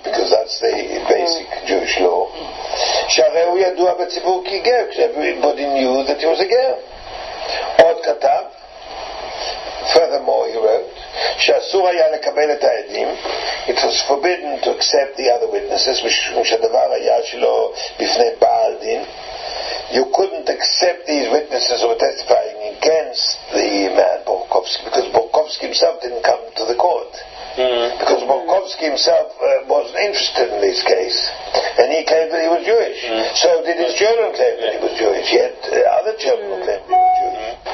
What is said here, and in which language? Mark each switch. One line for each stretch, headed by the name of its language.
English: Because that's the basic Jewish law.
Hebrew: שהרי הוא ידוע בציבור כי גר,
English: everybody knew that he was a girl.
Hebrew: עוד כתב,
English: furthermore he wrote,
Hebrew: שאסור היה לקבל את העדים,
English: it was forbidden to accept the other witnesses,
Hebrew: משום שהדבר היה שלו בפני בעל דין.
English: You couldn't accept these witnesses who were testifying against the man Borkovsky, because Borkovsky himself didn't come to the court. Because Borkovsky himself wasn't interested in this case, and he claimed that he was Jewish. So did his children claim that he was Jewish. He had other children who claimed he was Jewish.